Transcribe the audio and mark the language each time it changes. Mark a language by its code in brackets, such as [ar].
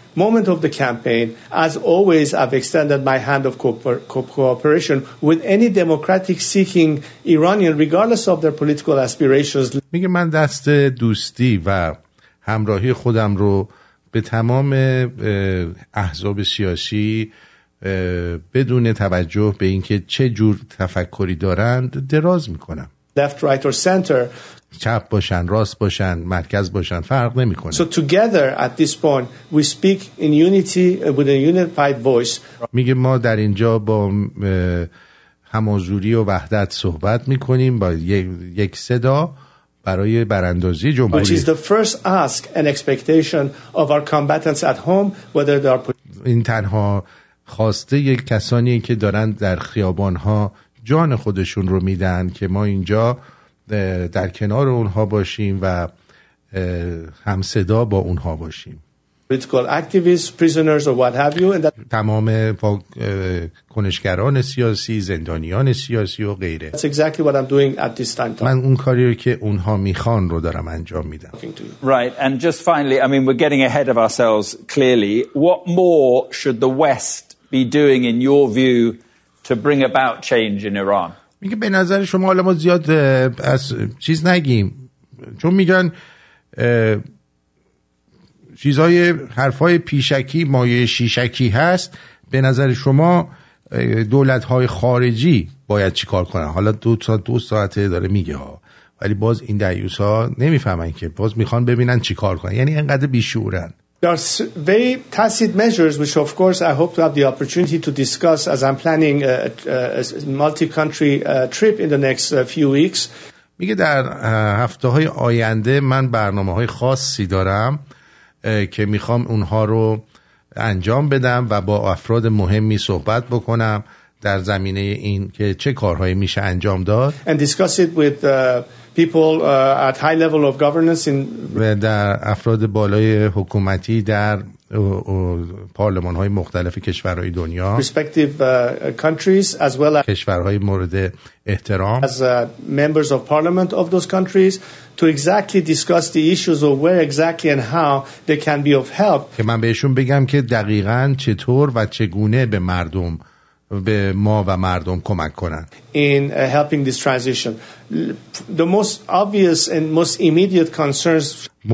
[en] Moment of the campaign, as always I've extended my hand of cooperation with any democratic seeking Iranian regardless of their political aspirations. [fa] میگه من دست دوستی و همراهی خودم رو به تمام احزاب سیاسی بدون توجه به اینکه چه جور تفکری دارند دراز می‌کنم. [en] Left, right, or center. [fa] چپ باشن، راست باشن، مرکز باشن، فرق نمی کنه. [en] So together at this point, we speak in unity with a unified voice. [fa] میگه ما در اینجا با هم‌آزوری و وحدت صحبت می کنیم با یک صدا برای براندازی جمهوری. [en] Which is the first ask and expectation of our combatants at home, whether they are. [fa] این تنها خواسته یک کسانی که دارن در خیابان‌ها جان خودشون رو میدن که ما اینجا در کنار اونها باشیم و هم صدا با اونها باشیم. [en] Political activists, prisoners or what have you, and that [fa] تمام کنشگران سیاسی، زندانیان سیاسی و غیره. [en] That's exactly what I'm doing at this time. [fa] من اون کاری رو که اونها میخوان رو دارم انجام میدم. [en] Right, and just finally, I mean we're getting ahead of ourselves clearly. What more should the West be doing in your view to bring about change in Iran? [fa] میگه به نظر شما حالا ما زیاد از چیز نگیم، چون میگن چیزهای حرفای پیشکی مایه شیشکی هست، به نظر شما دولت‌های خارجی باید چیکار کنن؟ حالا دو ساعته داره میگه ها، ولی باز این دعیوس‌ها نمیفهمن که باز میخوان ببینن چیکار کنن، یعنی انقدر بیشعورن. [en] There are very tacit measures, which of course I hope to have the opportunity to discuss as I'm planning a multi-country trip in the next few weeks. [fa] میگه در هفته‌های آینده من برنامه‌های خاصی دارم که میخوام اونها رو انجام بدم و با افراد مهمی صحبت بکنم در زمینه این که چه کارهایی میشه انجام داد. [en] And discuss it with people at high level of governance in [fa] در افراد بالای حکومتی در پارلمان‌های مختلف کشورهای دنیا. [en] Respective countries as well as [fa] کشورهای مورد احترام. [en] As members of parliament of those countries to exactly discuss the issues of where exactly and how they can be of help. [fa] که من بهشون بگم که دقیقاً چطور و چگونه به مردم، به ما و مردم کمک کنن. [en] In helping this transition, the most obvious and most immediate concerns.